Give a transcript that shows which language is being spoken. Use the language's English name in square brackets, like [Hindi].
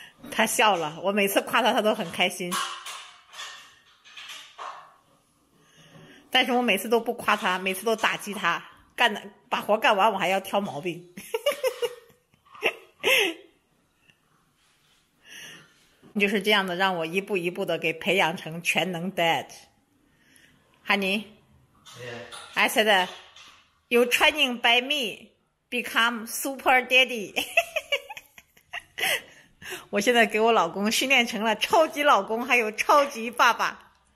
[Chinese] 他笑了，我每次夸他他都很开心，但是我每次都不夸他，每次都打击他，干把活干完我还要挑毛病。就是这样的，让我一步一步的给培养成全能 [English] dad。 Honey, yeah. I said, "You training by me become super daddy." [Chinese] 我现在给我老公训练成了超级老公，还有超级爸爸。